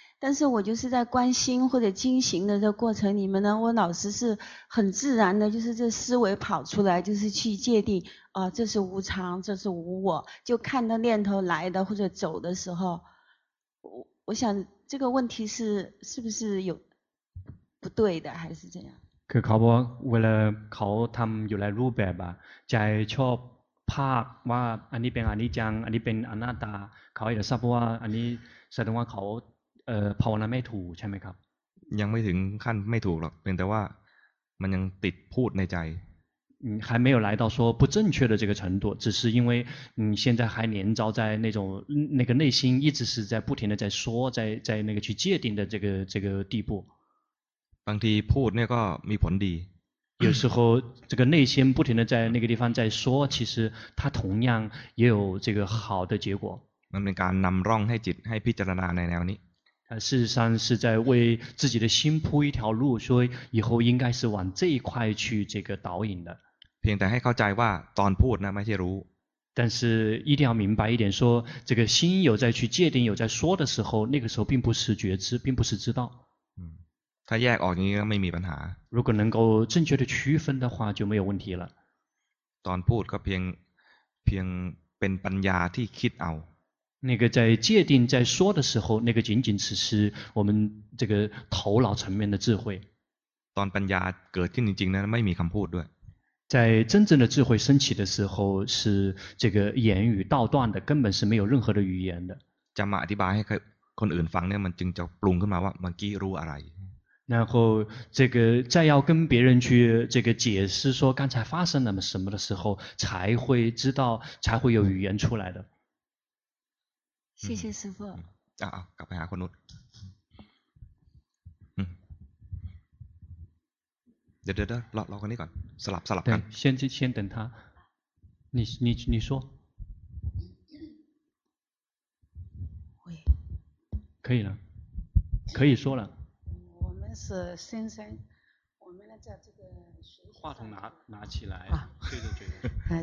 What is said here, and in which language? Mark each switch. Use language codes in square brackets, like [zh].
[zh] 但是我就是在观心或者静行的这过程里面呢，我老师是很自然的，就是这思维跑出来，就是去界定啊，这是无常，这是无我，就看到念头来的或者走的时候，我想这个问题是不是有不对的，还是怎样？ [th] คือเขาบอกเวลาเขาทำอยู่ในรูปแบบอะใจชอบภาคว่าอันนี้เป็นอันนี้จังอันนี้เป็นอนัตตาเขาจะทราบว่าอันนี้แสดงว่าเขาภาวนาไม่ถูกใช่ไหมครับ ยังไม่ถึงขั้นไม่ถูกหรอกเพียงแต่ว่ามันยังติดพูดในใจ [zh] 还没有来到说不正确的这个程度只是因为现在还黏着在那种那个内心一直是在不停的在说在那个去界定的这个地步 [th] บางทีพูดเนี่ยก็มีผลดี [zh] 有时候这个内心不停的在那个地方在说其实它同样也有这个好的结果 [th] มันเป็นการนำร่องให้จิตให้พิจารณาในแนวนี้ [zh] 事实上是在为自己的心铺一条路所以以后应该是往这一块去这个导引的 [th] เพียงแต่ให้เข้าใจว่าตอนพูดนะไม่ใช่รู้ [zh] 但是一定要明白一点说这个心有在去界定有在说的时候那个时候并不是觉知并不是知道 [th] ถ้าแยกออกนี้ก็ไม่มีปัญหา [zh] 如果能够正确的区分的话就没有问题了 [th] ตอนพูดก็เพียงเป็นปัญญาที่คิดเอา [zh] 那个在界定在说的时候那个仅仅只是我们这个头脑层面的智慧 [th] ตอนปัญญาเกิดขึ้นจริงๆนั้นไม่มีคำพูดด้วย [zh] 在真正的智慧升起的时候是这个言语道断的根本是没有任何的语言的 [th] จะมาอธิบายให้คนอื่นฟังเนี่ยมันจึงจะปรุงขึ้นมาว่าเมื่อกี้รู้อะไร [zh] 然后这个再要跟别人去这个解释说刚才发生了什么的时候才会知道才会有语言出来的谢谢师父 [th] กลับไปหาคนนู้นเดี๋ยวรอคนนี้ก่อนสลับกัน [zh] 先等他你说可以了可以说了是先生，我们在这个学习话筒拿起来，对。